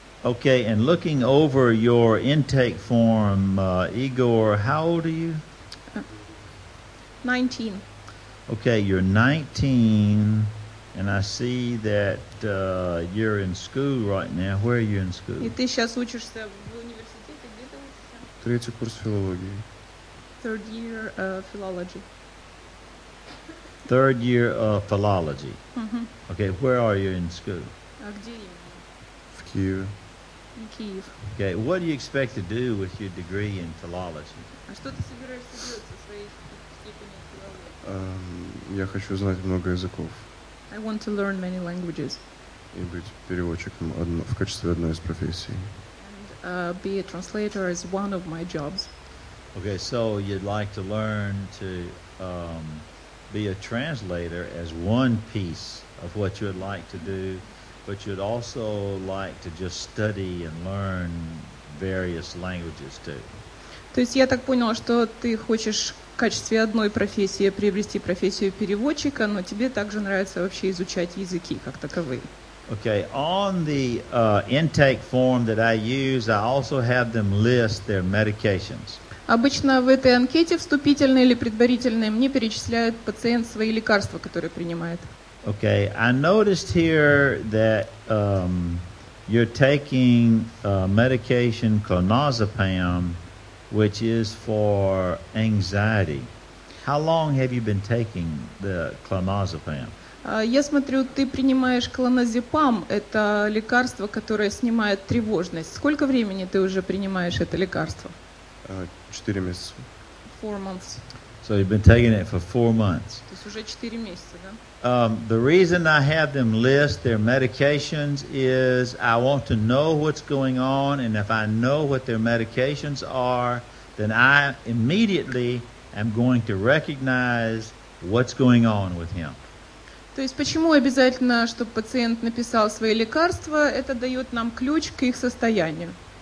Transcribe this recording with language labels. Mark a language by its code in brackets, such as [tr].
[en] Okay, and looking over your intake form, Igor, how old are you? 19. Okay, you're 19... And I see that you're in school right now. Where are you in school? [ru] И ты сейчас учишься в университете, где ты учишься? Третий курс филологии. [en] Third year philology. Third year of philology. Mm-hmm. Okay, where are you in school? [ru] А где я? В Киеве. В Киев. [en] Okay, what do you expect to do with your degree in philology? [ru] А что ты собираешься делать со своей степенью филологии? Я хочу знать много языков. [en] I want to learn many languages. [ru] И быть переводчиком в качестве одной из профессий. [en] And be a translator is one of my jobs. Okay, so you'd like to learn to be a translator as one piece of what you would like to do, but you'd also like to just study and learn various languages too. [ru] То есть я так понял, что ты хочешь в качестве одной профессии приобрести профессию переводчика, но тебе также нравится вообще изучать языки как таковые. [en] Okay, on the intake form that I use, I also have them list their medications. [ru] Обычно в этой анкете вступительной или предварительной мне перечисляют пациент свои лекарства, которые принимает. [en] Okay, I noticed here that you're taking medication clonazepam, which is for anxiety. How long have you been taking the clonazepam? [ru] Я смотрю, ты принимаешь клоназепам. Это лекарство, которое снимает тревожность. Сколько времени ты уже принимаешь это лекарство? 4 месяца. [en] 4 months. So you've been taking it for 4 months. [ru] То есть уже 4 месяца, да? [en] The reason I have them list their medications is I want to know what's going on, and if I know what their medications are, then I immediately am going to recognize what's going on with him. [ru] То есть почему обязательно, чтобы пациент написал свои лекарства? Это дает нам ключ к их состоянию.